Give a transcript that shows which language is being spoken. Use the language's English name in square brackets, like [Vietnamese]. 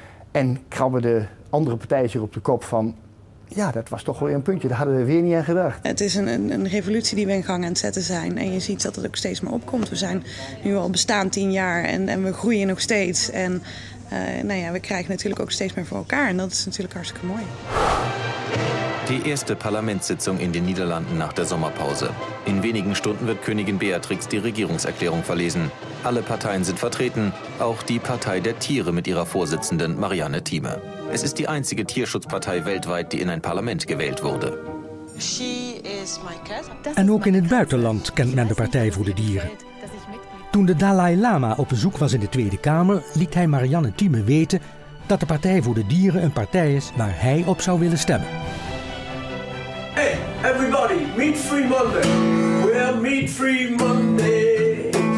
[Dutch] En krabben de andere partijen zich op de kop van, ja, dat was toch weer een puntje, daar hadden we weer niet aan gedacht. Het is een revolutie die we in gang aan het zetten zijn. En je ziet dat het ook steeds meer opkomt. We zijn nu al bestaan 10 jaar en we groeien nog steeds. En we krijgen natuurlijk ook steeds meer voor elkaar. En dat is natuurlijk hartstikke mooi. [German] Die eerste parlementssitzung in de Nederlanden nach der Sommerpause. In wenigen Stunden wird Königin Beatrix die Regierungserklärung verlesen. Alle Parteien sind vertreten, auch die Partei der Tiere mit ihrer Vorsitzenden Marianne Thieme. Es ist die einzige Tierschutzpartei weltweit, die in ein Parlament gewählt wurde. [Dutch] En ook in het buitenland kent men de Partij voor de Dieren. Toen de Dalai Lama op bezoek was in de Tweede Kamer, liet hij Marianne Thieme weten dat de Partij voor de Dieren een partij is waar hij op zou willen stemmen. [English] Hey, everybody, meet Free Monday. We're meet Free Monday.